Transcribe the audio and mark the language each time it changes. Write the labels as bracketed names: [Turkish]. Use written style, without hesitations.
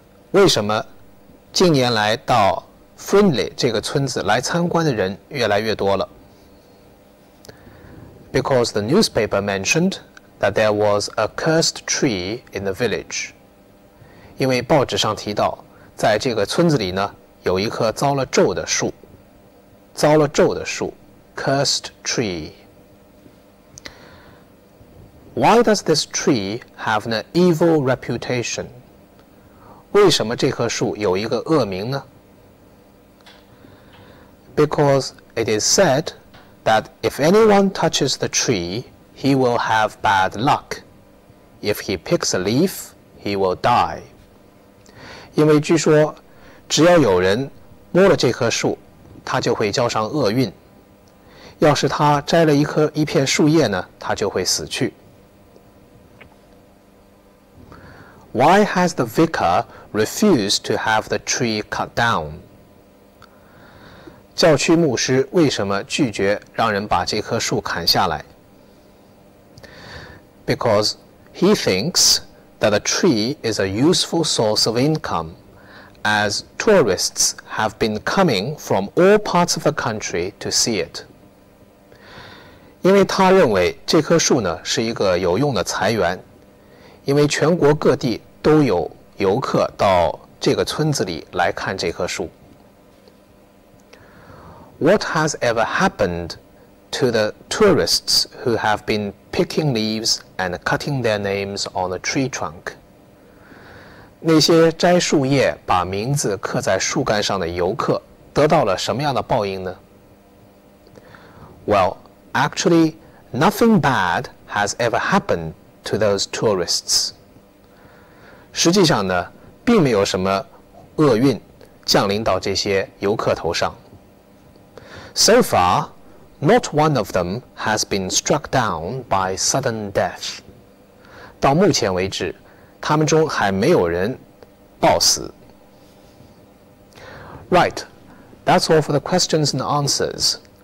[Chinese] 为什么近年来到Friendly 这个村子来参观的人越来越多了。 [English] Because the newspaper mentioned that there was a cursed tree in the village. [Chinese] 因为报纸上提到，在这个村子里呢，有一棵遭了咒的树。遭了咒的树 ， [English] cursed tree. Why does this tree have an evil reputation? [Chinese] 为什么这棵树有一个恶名呢？ [English] Because it is said that if anyone touches the tree, he will have bad luck. If he picks a leaf, he will die. [Chinese] 因为据说，只要有人摸了这棵树，他就会交上厄运。要是他摘了一片树叶呢，他就会死去。 [English] Why has the vicar refused to have the tree cut down? [Chinese] 教区牧师为什么拒绝让人把这棵树砍下来？ [English] because he thinks that a tree is a useful source of income, as tourists have been coming from all parts of the country to see it. [Chinese] 因为他认为这棵树呢是一个有用的财源，因为全国各地都有游客到这个村子里来看这棵树。 [English] What has ever happened to the tourists who have been picking leaves and cutting their names on a tree trunk? [Chinese] 那些摘树叶把名字刻在树干上的游客得到了什么样的报应呢？ [English] Well, actually, nothing bad has ever happened to those tourists. [Chinese] 实际上呢，并没有什么厄运降临到这些游客头上。 [English] So far, not one of them has been struck down by sudden death. [Chinese] 到目前为止，他们中还没有人暴死。 [English] Right, that's all for the questions and answers.